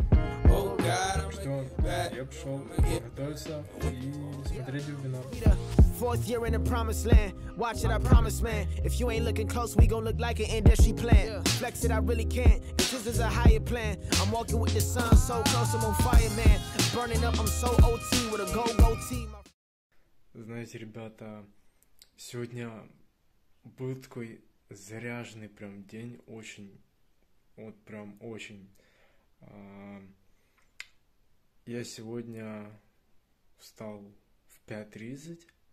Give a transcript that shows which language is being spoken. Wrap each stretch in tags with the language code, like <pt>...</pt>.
<ru>Так что я пошел готовиться и смотреть вебинар.</ru> <en>Fourth year in the promised land. Watch it, I promise, man. If you ain't looking close, we gon' look like an industry plan. Flex it, I really can't. The truth is a higher plan. I'm walking with the sun so close, I'm on fire, man. Burning up, I'm so OT with a go-go team.</en> <ru>Знаете, ребята, сегодня был такой заряженный прям день, очень, вот прям очень. Я сегодня встал в 5:30.</ru>